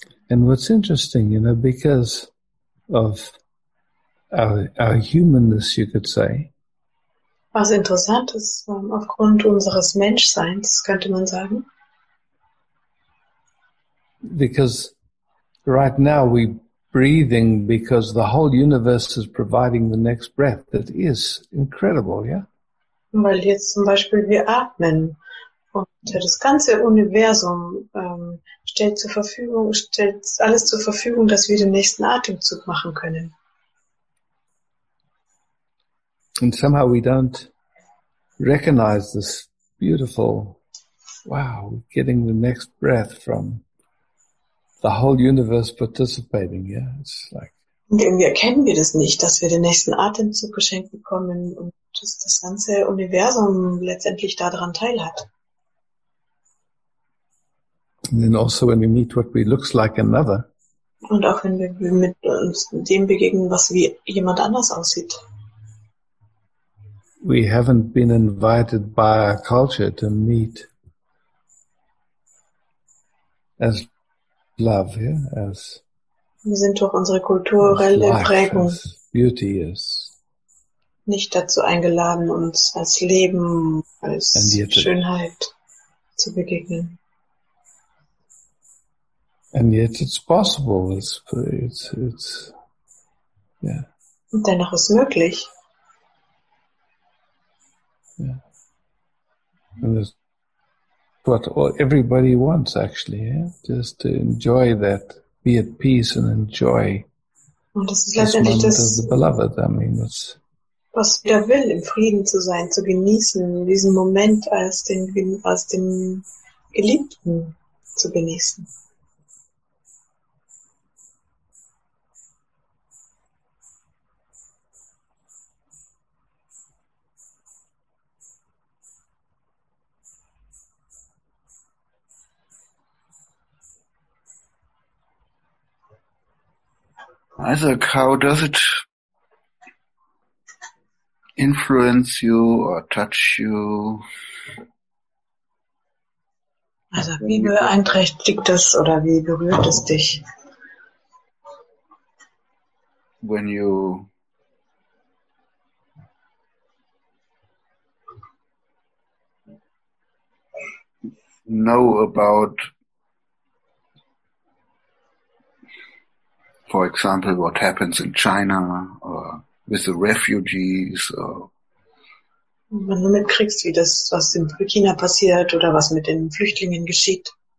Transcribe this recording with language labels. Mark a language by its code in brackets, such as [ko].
[en] And what's interesting, you know, because of our humanness, you could say. [de] Was interessant ist, aufgrund unseres Menschseins, könnte man sagen. [en] Because right now we're breathing because the whole universe is providing the next breath. That is incredible, yeah? [de] Weil jetzt zum Beispiel wir atmen und das ganze Universum stellt alles zur Verfügung, dass wir den nächsten Atemzug machen können. [en] And somehow we don't recognize this beautiful, wow, getting the next breath from the whole universe participating, yeah? It's like. [de] Und irgendwie erkennen wir das nicht, dass wir den nächsten Atemzug geschenkt bekommen und dass das ganze Universum letztendlich daran teil hat. [en] And then also when we meet what we looks like another. [de] Und auch wenn wir mit uns dem begegnen, was wie jemand anders aussieht. [en] We haven't been invited by our culture to meet as love, yeah, as [de] wir sind durch unsere kulturelle Prägung [en] beauty is [de] nicht dazu eingeladen, uns als Leben, als Schönheit zu begegnen. [en] And yet it's possible, it's yeah. [de] Und dennoch ist möglich. [en] Yeah. And that's what everybody wants, actually, yeah? Just to enjoy that, be at peace and enjoy the beloved. I mean, that's [de] was jeder will, im Frieden zu sein, zu genießen, diesen Moment als den Geliebten zu genießen. [en] Isaac, how does it influence you or touch you? [de] Also, wie beeinträchtigt das oder wie berührt es dich? [en] When you know about, for example, what happens in China or with the refugees, or [de] wenn du mitkriegst, wie das, was in China passiert oder was mit den Flüchtlingen geschieht,